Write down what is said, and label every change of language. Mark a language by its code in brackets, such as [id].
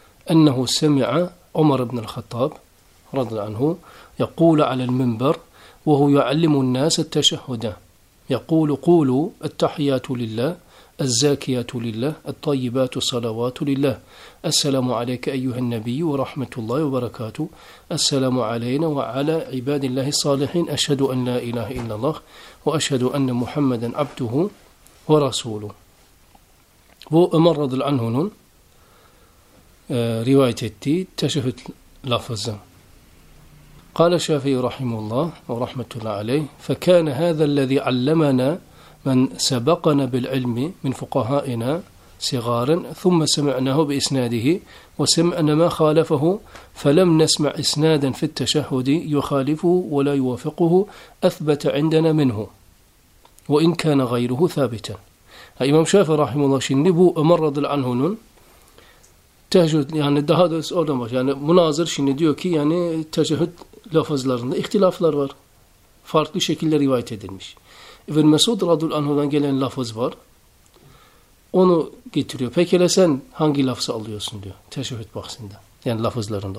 [ar] أنه سمع عمر بن الخطاب رضي عنه يقول على المنبر وهو يعلم الناس التشهد يقول قولوا التحيات لله الزاكية لله الطيبات الصلوات لله السلام عليك أيها النبي ورحمة الله وبركاته السلام علينا وعلى عباد الله الصالحين أشهد أن لا إله إلا الله وأشهد أن محمدا عبده ورسوله. [tr] Bu Ömer radıyallahu anh'un rivayet ettiği teşehhüd lafızı. [ar] قال الشافعي رحمه الله ورحمة الله عليه فكان هذا الذي علمنا من سبقنا بالعلم من فقهائنا صغارا ثم سمعناه بإسناده وسمعنا ما خالفه فلم نسمع إسنادا في التشهد يخالفه ولا يوافقه أثبت عندنا منه وإن كان غيره ثابتا. [tr] إمام شافعي رحمه الله شنبو أمر رضي عنه teheccüd yani daha doğrusu oradan başlıyor. Yani münazır şimdi diyor ki yani teheccüd lafızlarında ihtilaflar var. Farklı şekiller rivayet edilmiş. İbn Mesud radıyallahu anh'dan gelen lafız var. Onu getiriyor. Peki hele sen hangi lafzı alıyorsun diyor teheccüd bahsinde. Yani lafızlarında.